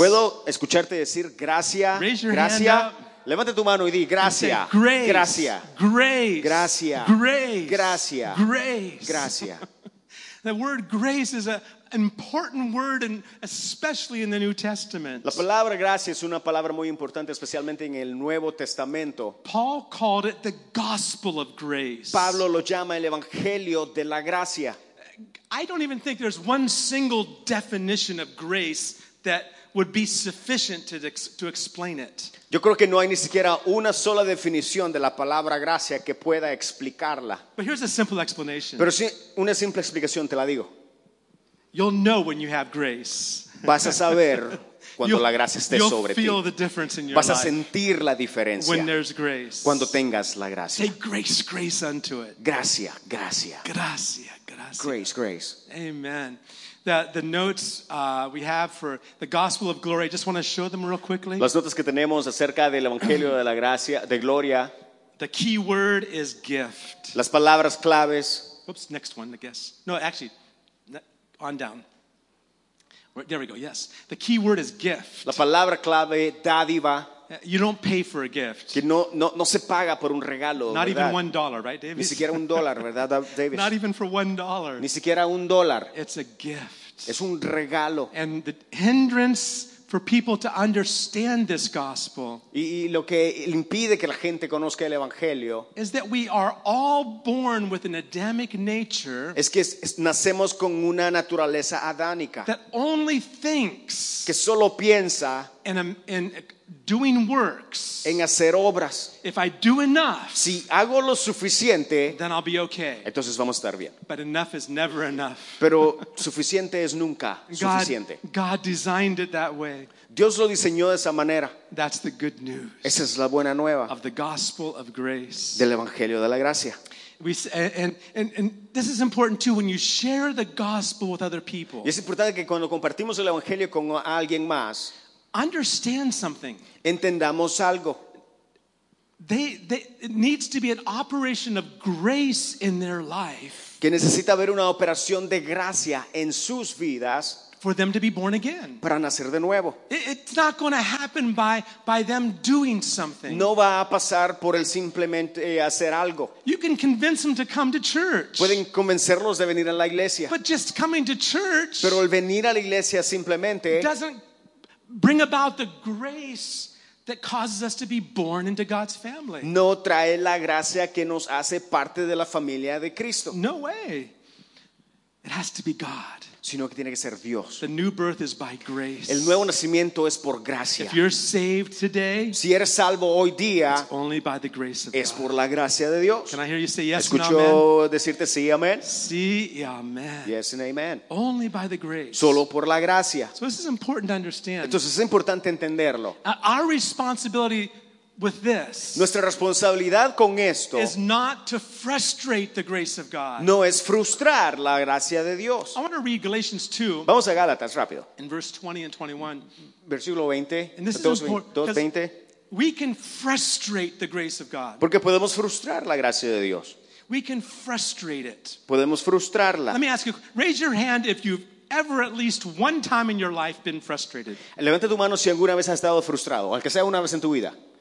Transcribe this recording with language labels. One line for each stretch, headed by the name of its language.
Spanish: ¿Puedo escucharte decir gracia,
English: raise your
Spanish: gracia?
English: Hand up.
Spanish: Levanta tu mano y di gracia.
English: Grace,
Spanish: gracia.
English: Grace,
Spanish: gracia.
English: Grace,
Spanish: gracia.
English: Grace,
Spanish: gracia.
English: The word grace is an important word, and especially in the New Testament.
Spanish: La palabra gracia es una palabra muy importante, especialmente en el Nuevo Testamento.
English: Paul called it the gospel of grace.
Spanish: Pablo lo llama el evangelio de la gracia.
English: I don't even think there's one single definition of grace that would be sufficient to explain it.
Spanish: Yo creo que no hay ni siquiera una sola definición de la palabra gracia que pueda explicarla.
English: But here's a simple explanation.
Spanish: Pero sí, una simple explicación te la digo.
English: You'll know when you have grace.
Spanish: Vas a saber cuando la gracia esté sobre
English: feel
Spanish: ti.
English: The difference in your
Spanish: Vas a sentir la diferencia
English: when there's grace.
Spanish: Cuando tengas la gracia.
English: Say grace, grace unto it.
Spanish: Gracia, gracia. Gracia, gracia.
English: Grace, grace. Amen. The notes we have for the Gospel of Glory, I just want to show them real quickly.
Spanish: Las notas que tenemos acerca del Evangelio de la Gracia, de Gloria.
English: The key word is gift.
Spanish: Las palabras claves.
English: Oops, next one, I guess. No, actually, on down. There we go, yes. The key word is gift.
Spanish: La palabra clave, dádiva.
English: You don't pay for a gift.
Spanish: Que no se paga por un regalo,
English: Not
Spanish: ¿verdad?
English: Even $1, right, David?
Spanish: Ni siquiera un dólar, ¿verdad, David?
English: Not even for $1.
Spanish: Ni siquiera un dólar.
English: It's a gift.
Spanish: Es un regalo.
English: And the hindrance for people to understand this gospel
Spanish: y lo que impide que la gente conozca el evangelio
English: is that we are all born with an Adamic nature
Spanish: es que nacemos con una naturaleza adánica
English: that only thinks
Spanish: que solo piensa
English: in doing works
Spanish: en hacer obras
English: if I do enough
Spanish: si hago lo suficiente
English: then I'll be okay
Spanish: entonces vamos a estar bien
English: but enough is never enough
Spanish: pero suficiente es nunca suficiente
English: God designed it that way
Spanish: Dios lo diseñó de esa manera
English: that's the good news
Spanish: esa es la buena nueva
English: of the gospel of grace
Spanish: del evangelio de la gracia
English: And this is important too when you share the gospel with other people
Spanish: y es importante que cuando compartimos el evangelio con alguien más
English: Understand something.
Spanish: Entendamos algo.
English: It needs to be an operation of grace in their life.
Spanish: Que necesita haber una operación de gracia en sus vidas.
English: For them to be born again.
Spanish: Para nacer de nuevo.
English: It's not going to happen by them doing something.
Spanish: No va a pasar por el simplemente hacer algo.
English: You can convince them to come to church.
Spanish: Pueden convencerlos de venir a la iglesia.
English: But just coming to church.
Spanish: Pero el venir a la iglesia simplemente.
English: Doesn't bring about the grace that causes us to be born into God's family.
Spanish: No trae la gracia que nos hace parte de la familia de Cristo.
English: No way. It has to be God.
Spanish: Sino que tiene que ser Dios.
English: The new birth is by grace.
Spanish: El nuevo nacimiento es por gracia.
English: If you're saved today,
Spanish: si eres salvo hoy día,
English: it's only by the grace of God.
Spanish: Es por la gracia de Dios.
English: Can I hear you say yes
Spanish: Escucho
English: and amen?
Spanish: Escucho decirte sí, amén. Sí y amén.
English: Yes and amen. Only by the grace.
Spanish: Solo por la gracia.
English: So this is important to understand.
Spanish: Entonces es importante entenderlo.
English: Our responsibility with this.
Spanish: Nuestra responsabilidad con esto
English: is not to frustrate the grace of God.
Spanish: No es frustrar la gracia de Dios.
English: I want to read Galatians 2.
Spanish: Vamos a Gálatas rápido.
English: In verse 20 and 21.
Spanish: Versículo 20.
English: And this is important. 20. We can frustrate the grace of God.
Spanish: Porque podemos frustrar la gracia de Dios.
English: We can frustrate it.
Spanish: Podemos frustrarla.
English: Let me ask you, raise your hand if you've ever at least one time in your life been frustrated.
Spanish: Levanta tu mano si alguna vez has estado frustrado, aunque sea una vez en tu vida.